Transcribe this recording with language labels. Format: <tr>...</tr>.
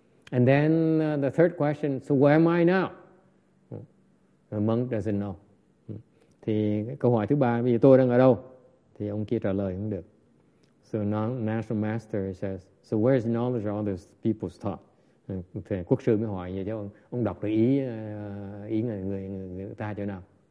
<en>And then the third question, so where am I now? The monk doesn't know.</en> <vi>Thì câu hỏi thứ ba, bây giờ tôi đang ở đâu? Thì ông kia trả lời không được.</vi> <en>So national master says, so where is knowledge of all these people's thought?</en> <vi>Thì quốc sư mới hỏi vậy chứ ông đọc được ý người ta chỗ nào?</vi>